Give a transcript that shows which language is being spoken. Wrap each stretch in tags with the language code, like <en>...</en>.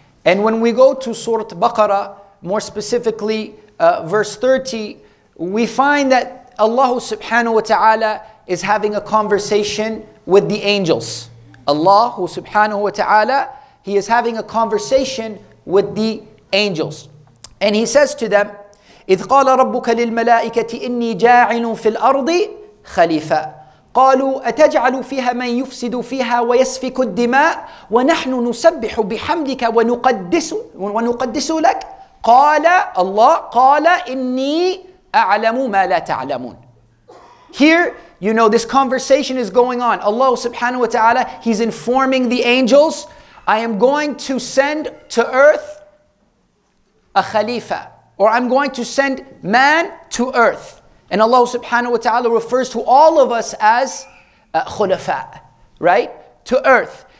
<en>And when we go to Surah Baqarah, more specifically verse 30, we find that Allah subhanahu wa ta'ala is having a conversation with the angels. Allah subhanahu wa ta'ala, He is having a conversation with the angels. And He says to them,</en> <ar>إِذْ قَالَ رَبُّكَ لِلْمَلَائِكَةِ إِنِّي جَاعِلٌ فِي الْأَرْضِ خَلِيفَةً قَالُوا أَتَجْعَلُ فِيهَا مَنْ يُفْسِدُ فِيهَا وَيَسْفِكُ الدِّمَاءَ وَنَحْنُ نُسَبِّحُ بِحَمْدِكَ وَنُقَدِّسُ لَكَ قَالَ إِنِّي أَعْلَمُ مَا لَا تَعْلَمُونَ.</ar> <en>Here, you know, this conversation is going on. Allah subhanahu wa ta'ala, He's informing the angels, I am going to send to earth a khalifa, or I'm going to send man to earth. And Allah subhanahu wa ta'ala refers to all of us as khulafa, right? To earth.</en>